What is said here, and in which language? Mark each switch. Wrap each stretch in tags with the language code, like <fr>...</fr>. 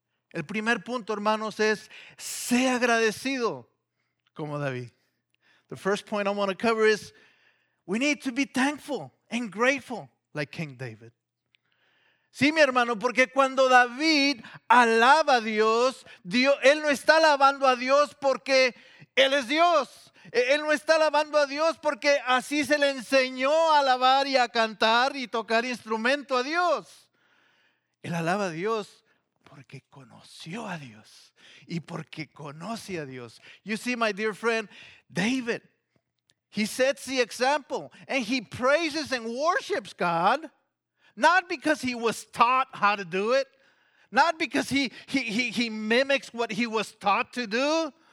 <es>El primer punto, hermanos, es sé agradecido como David.</es> <en>The first point I want to cover is we need to be thankful and grateful like King David.</en> <es>Sí, mi hermano, porque cuando David alaba a Dios, él no está alabando a Dios porque Él es Dios. Él no está alabando a Dios porque así se le enseñó a alabar y a cantar y tocar instrumento a Dios. Él alaba a Dios porque conoció a Dios y porque conoce a Dios.</es> <en>You see, my dear friend, David, he sets the example and he praises and worships God. Not because he was taught how to do it. Not because he mimics what he was taught to do.</en>